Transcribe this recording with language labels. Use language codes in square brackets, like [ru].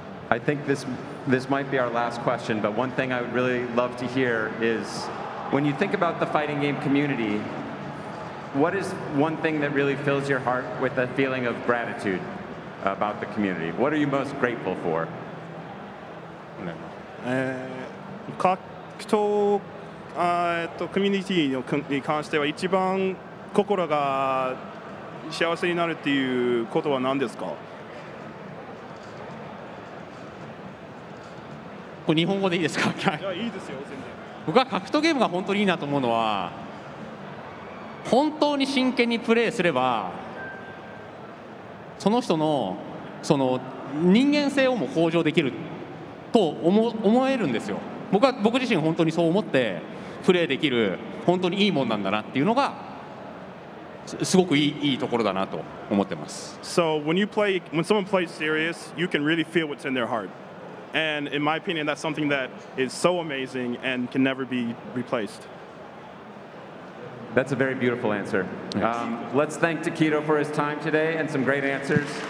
[en] I think this might be our last question, but one thing I would really love to hear is when you think about the fighting game community,What is one thing that really fills your heart with a feeling of gratitude about the community? What are you most grateful for? [ja] 格闘コミュニティに関しては一番心が幸せになるっていうことは何ですか？日本語でいいですか？いや、いいですよ、全然。僕は格闘ゲームが本当にいいなと思うのは本当に真剣にプレーすればその人の、その人間性をも向上できると 思えるんですよ。僕自身本当にそう思ってプレーできる本当にいいもんなんだなっていうのが すごくいいところだなと思ってます。 [en] So when you play, when someone plays serious, you can really feel what's in their heart. And in my opinion, that's something that is so amazing and can never be replaced. That's a very beautiful answer. Let's thank Tokido for his time today and some great answers.